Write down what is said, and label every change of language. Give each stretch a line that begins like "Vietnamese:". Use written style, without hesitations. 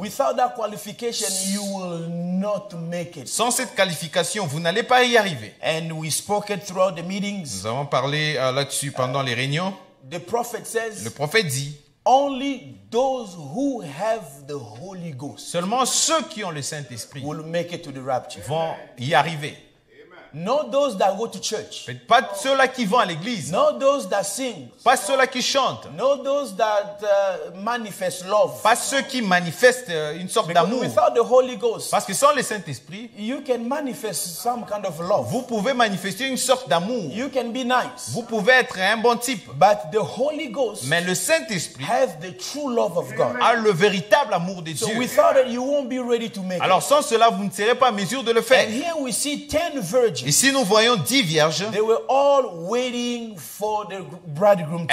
English: Without that qualification, you will not make it.
French: Sans cette qualification, vous n'allez pas y arriver.
English: And we spoke it throughout the meetings.
French: Nous avons parlé là-dessus pendant les réunions.
English: The prophet says.
French: Le prophète dit.
English: Only those who have the Holy Ghost.
French: Seulement ceux qui ont le Saint-Esprit.
English: Will make it to the rapture.
French: Vont y arriver.
English: Not those that go to church.
French: Pas ceux-là qui vont à l'église.
English: Not those that sing.
French: Pas ceux-là qui chantent.
English: Not those that manifest love.
French: Pas ceux qui manifestent une sorte d'amour.
English: Without the Holy Ghost.
French: Parce que sans le Saint-Esprit,
English: you can manifest some kind of love.
French: Vous pouvez manifester une sorte d'amour.
English: You can be nice.
French: Vous pouvez être un bon type.
English: But the Holy Ghost.
French: Mais le Saint-Esprit
English: has the true love of God.
French: A le véritable amour de Dieu.
English: So without it, you won't be ready to make
French: alors sans cela, vous ne serez pas à mesure de le faire.
English: And here we see 10 virgins.
French: Ici, nous voyons 10 vierges.
English: They were all waiting for the bridegroom to